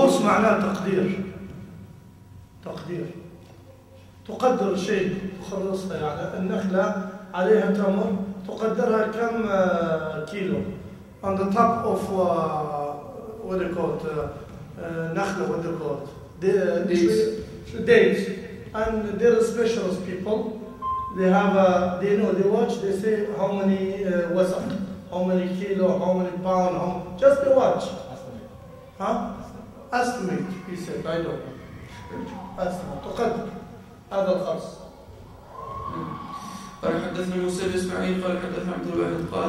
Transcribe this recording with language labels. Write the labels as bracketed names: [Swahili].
[Arabic] خرص معناه تقدير تقدر شيء خلصها يعني النخلة عليها تمر تقدرها كم كيلو [English] on the top of what they call it [Arabic] نخلة what they call it [English] days and there are specialist people they have they know they watch they say how many wasak how many kilo how many pound how just they watch estimate he said I don't know estimate [Arabic] تقدر هذا الخرص. قال حدثنا موسى بن اسماعيل قال حدثنا عبد الواحد قال